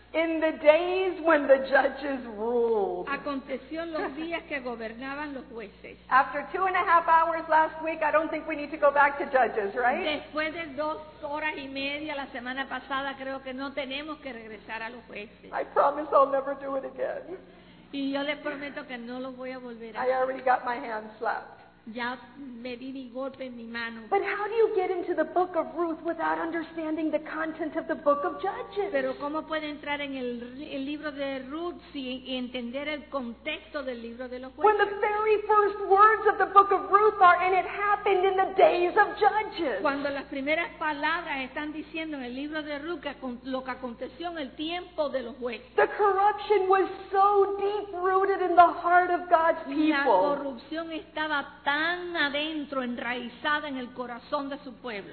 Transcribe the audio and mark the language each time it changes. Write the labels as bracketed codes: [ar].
[en] In the days when the judges ruled. [es] Aconteció en los días que gobernaban los jueces. [en] After 2.5 hours last week, I don't think we need to go back to judges, right? [es] Después de 2 horas y media la semana pasada, creo que no tenemos que regresar a los jueces. [en] I promise I'll never do it again. [es] Y yo les prometo que no lo voy a volver a hacer. [en] I already got my hand slapped. [es] Ya me di mi golpe en mi mano. [en] But how do you get into the book of Ruth without understanding the content of the book of Judges? [es] Pero cómo puede entrar en el libro de Ruth y entender el contexto del libro de los jueces? [en] When the very first words of the book of Ruth are, and it happened in the days of Judges. [es] Cuando las primeras palabras están diciendo en el libro de Ruth lo que aconteció en el tiempo de los jueces. [en] The corruption was so deep rooted in the heart of God's people. [es] La corrupción estaba tan adentro, enraizada en el corazón de su pueblo.